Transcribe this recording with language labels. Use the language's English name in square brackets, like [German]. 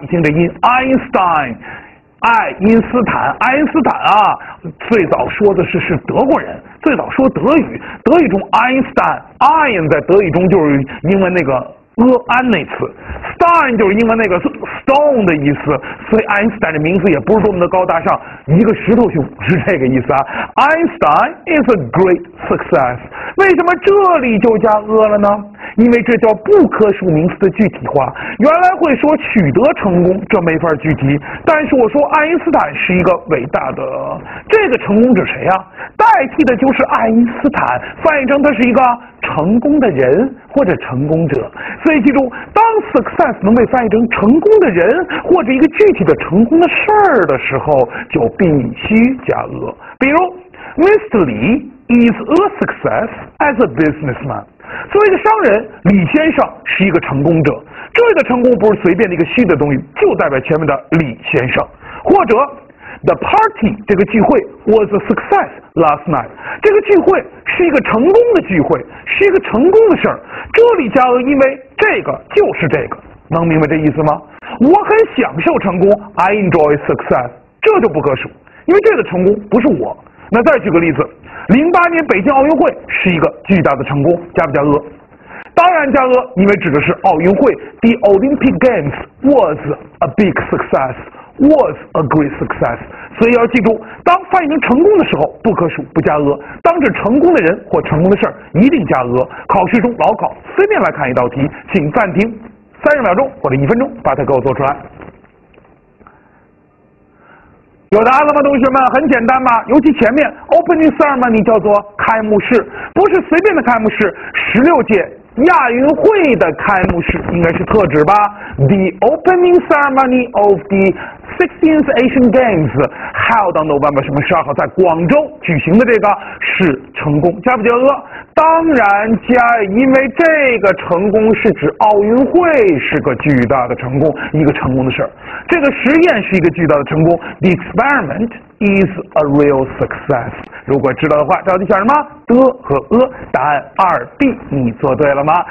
[Chinese] 一听这音 ，Einstein。爱因斯坦，爱因斯坦啊，最早说的是德国人，最早说德语，德语中爱因斯坦 ，ein 在德语中就是英文那个a安那词 ，stein 就是英文那个 stone 的意思，所以爱因斯坦的名字也不是多么的高大上，一个石头熊是这个意思啊。 [English] Einstein is a great success， [Chinese] 为什么这里就加 a 了呢？因为这叫不可数名词的具体化，原来会说取得成功，这没法具体。但是我说爱因斯坦是一个伟大的，这个成功者谁啊？代替的就是爱因斯坦，翻译成他是一个成功的人或者成功者。所以记住，当 success 能被翻译成成功的人或者一个具体的成功的事儿的时候，就必须加 a。比如 ，Mr. [English] Li is a success as a businessman。 [Chinese] 作为一个商人，李先生是一个成功者。这里的成功不是随便的一个虚的东西，就代表前面的李先生。或者 [English] ，the party [Chinese] 这个聚会 [English] was a success last night。 [Chinese] 这个聚会是一个成功的聚会，是一个成功的事儿。这里加了，因为这个就是这个，能明白这意思吗？我很享受成功 ， [English] I enjoy success， [Chinese] 这就不可数，因为这个成功不是我。那再举个例子，2008年北京奥运会是一个巨大的成功，加不加a？当然加a，因为指的是奥运会。 [English] The Olympic Games was a big success, was a great success。 [Chinese] 所以要记住，当翻译成成功的时候，不可数，不加a；当指成功的人或成功的事儿，一定加a。考试中老考，随便来看一道题，请暂停30秒钟或者1分钟，把它给我做出来。有答案了吗，同学们？很简单吧，尤其前面 opening ceremony 叫做开幕式，不是随便的开幕式，16届亚运会的开幕式，应该是特指吧。 [English] The opening ceremony of the 16th Asian Games held on November 12 [Chinese] 号在广州举行的，这个是成功，加不加a？当然加，因为这个成功是指奥运会是个巨大的成功，一个成功的事儿。这个实验是一个巨大的成功， [English] The experiment is a real success。 [Chinese] 如果知道的话，到底选什么？的和a？ 答案2B， 你做对了吗？